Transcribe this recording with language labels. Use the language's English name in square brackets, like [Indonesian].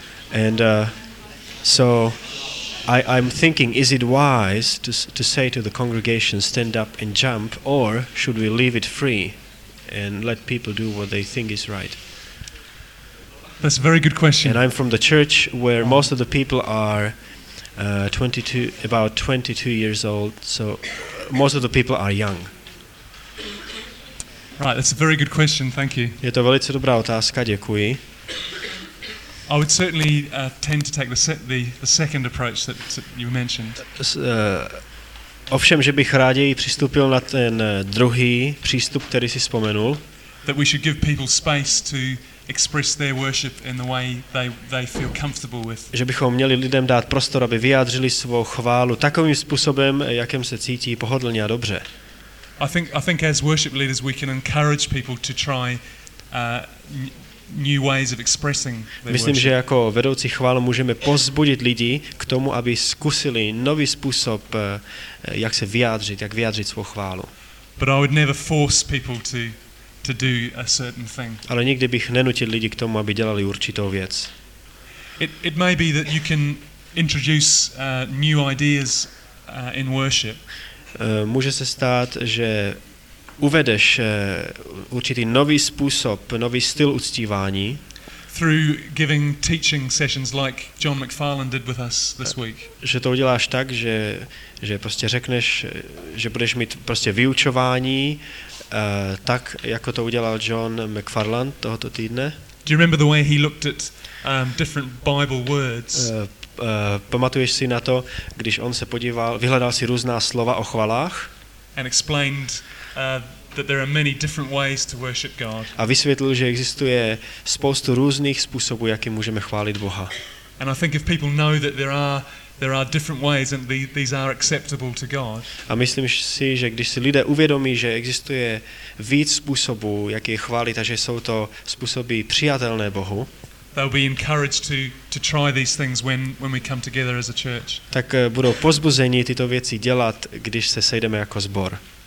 [English] And so I'm thinking, is it wise to say to the congregation, stand up and jump, or should we leave it free and let people do what they think is right? That's a very good question. And I'm from the church where most of the people are about 22 years old, so most of the people are young. Right, that's a very good question, thank you. [Czech] Je to velice dobrá otázka, děkuji. [English] I would certainly tend to take the second approach that you mentioned. [Czech] Ovšem, že bych raději přistoupil na ten druhý přístup, který si vzpomenul. [English] That we should give people space to express their worship in the way they feel comfortable with. [Czech] Že bychom měli lidem dát prostor, aby vyjádřili svou chválu takovým způsobem, jakým se cítí pohodlně a dobře. [English] I think as worship leaders we can encourage people to try new ways of expressing their worship. [Czech] Myslím, že jako vedoucí chvál můžeme pozbudit lidi k tomu, aby zkusili nový způsob, jak se vyjádřit, jak vyjádřit svou chválu. [English] But I would never force people to to do a certain thing. [Czech] Ale nikdy bych nenutil lidi k tomu, aby dělali určitou věc. [English] It may be that you can introduce new ideas in worship. [Czech] Může se stát, že uvedeš určitý nový způsob, nový styl uctívání. [English] Through giving teaching sessions like John McFarland did with us this week. [Czech] Že to uděláš tak, že prostě řekneš, že budeš mít prostě vyučování, tak jako to udělal John McFarland tohoto týdne. [English] Do you remember the way he looked at different Bible words? [Czech] Pamatuješ si na to, když on se podíval, vyhledal si různá slova o chvalách? [English] And explained that there are many different ways to worship God. [Czech] A vysvětlil, že existuje spoustu různých způsobů, jakým můžeme chválit Boha. [English] And I think if people know that there are different ways and these are acceptable to God. [Czech] A myslím si, že když si lidé uvědomí, že existuje víc způsobů, jak je chválit, a že jsou to způsoby přijatelné Bohu. [English] They'll be encouraged to try these things when we come together as a church. [Czech] Tak budou pozbuzeni tyto věci dělat, když se sejdeme jako sbor.